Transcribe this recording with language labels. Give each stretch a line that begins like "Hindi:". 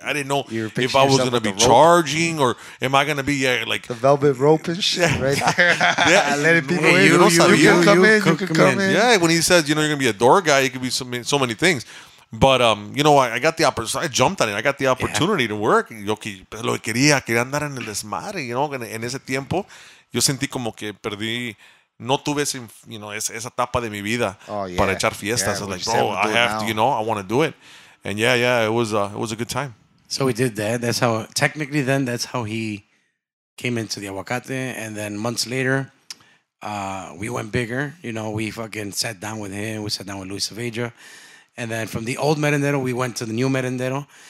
English: I didn't know if I was gonna be charging or am I gonna be like the velvet rope and shit. Yeah. Let it be. You can come in. Yeah. When he says, you know, you're gonna be a door guy, it could be so many things. But, you know, I got the opportunity. I jumped on it. I got the opportunity to work.
Spanish: Yo lo quería. Quería andar en el desmadre,
English: you know.
Spanish: En ese tiempo, yo sentí como que perdí. No tuve, ese, you know, esa etapa de mi vida para echar fiestas.
English: Yeah, I was like, bro, I have to, you know, I want to do it. And, it was a good time. So we did that. That's how, technically then, that's how he came into the Aguacate. And then months later, we went bigger. You know, we fucking sat down with him. We sat down with Luis Saavedra. And then from the old Merendero, we went to the new Merendero.